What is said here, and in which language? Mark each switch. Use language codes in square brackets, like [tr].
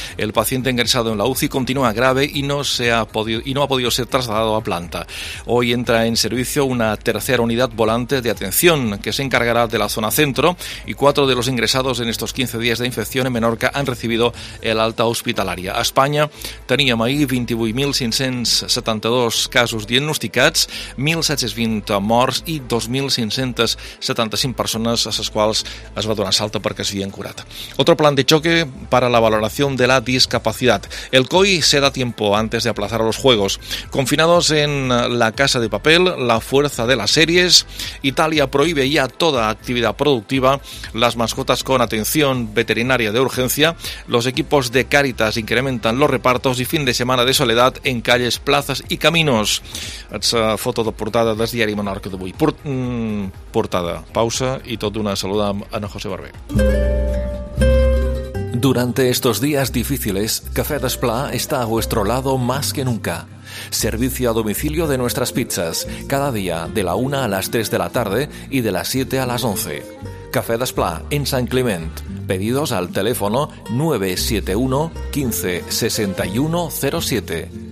[es] El paciente ingresado en la UCI continúa grave y no ha podido ser trasladado a planta. Hoy entra en servicio una tercera unidad volante de atención que se encargará de la zona centro y 4 de los ingresados en estos 15 días de infección en Menorca han recibido el alta hospitalària. [ca] A Espanya teníem ahir 28.572 casos diagnosticats, 1.720 morts i 2.575 persones a les quals es va donar salta perquè s'havien curat. [es] Otro plan de choque para la valoración de la discapacidad. El COI se da tiempo antes de aplazar a los juegos. Confinados en La Casa de Papel, La Fuerza de las Series, Italia prohíbe ya toda actividad productiva, las mascotas con atención veterinaria de urgencia, los equipos de Càritas incrementan los repartos y fin de semana de soledad en calles, plazas y caminos. [ca] Ets foto de portada del Diari Menorca d'avui. Portada, pausa i tot d'una saluda amb Ana José Barber. [es] Durante estos días difíciles, Café Desplà está a vuestro lado más que nunca. Servicio a domicilio de nuestras pizzas, cada día de la 1 a las 3 de la tarde y de las 7 a las 11. Café Desplà, en Sant Climent. Pedidos al teléfono 971 15 61 07.